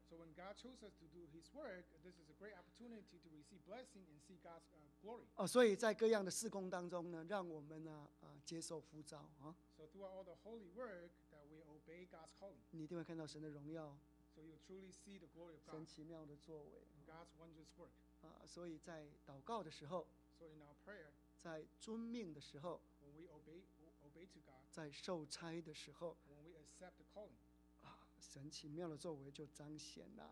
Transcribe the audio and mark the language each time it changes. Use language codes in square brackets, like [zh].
[en] So when God chose us to do His work, this is a great opportunity to receive blessing and see God's glory. [zh] 所以在各样的事工当中呢，让我们呢接受呼召啊。 [en] So throughout all the holy work. We obey God's calling. [zh] 你一定会看到神的荣耀。 [en] So you truly see the glory of God. [zh] 神奇妙的作为。 [en] God's wondrous work. [zh] 所以在祷告的时候。 [en] So in our prayer. [zh] 在遵命的时候。 [en] When we obey to God. [zh] 在受差的时候。 [en] When we accept the calling. [zh] 神奇妙的作为就彰显了。